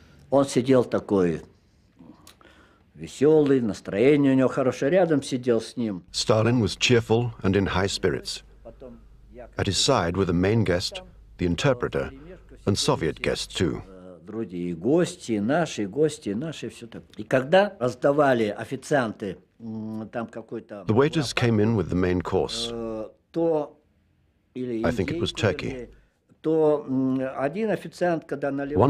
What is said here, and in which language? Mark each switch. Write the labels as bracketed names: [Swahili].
[Russian] Он сидел такой веселый, настроение у него хорошее, рядом сидел с ним. [English] Stalin was cheerful and in high spirits. At his side were the main guest, the interpreter, and Soviet guests too. [Russian] Другие гости, наши гости, наши все так. И когда раздавали официанты там какой-то. [English] The waiters came in with the main course. I think it was turkey. [Russian] То один официант, когда наливал.